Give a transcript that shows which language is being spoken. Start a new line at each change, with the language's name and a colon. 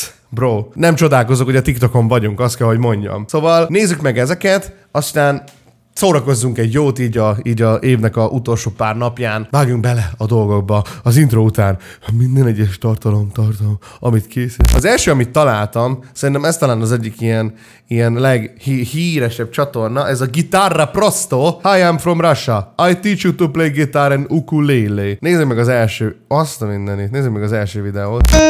Hungarian: Bro, nem csodálkozok, hogy a TikTokon vagyunk, azt kell, hogy mondjam. Szóval nézzük meg ezeket, aztán szórakozzunk egy jót így a évnek a utolsó pár napján. Vágjunk bele a dolgokba az intro után. Minden egyes tartalom, amit készít. Az első, amit találtam, szerintem ez talán az egyik ilyen leghíresebb csatorna, ez a Gitarra Prosto.
English: Hi, I'm from Russia. I teach you to play guitar and ukulele.
Hungarian: Nézzük meg az első, azt a mindenit, nézzük meg az első videót.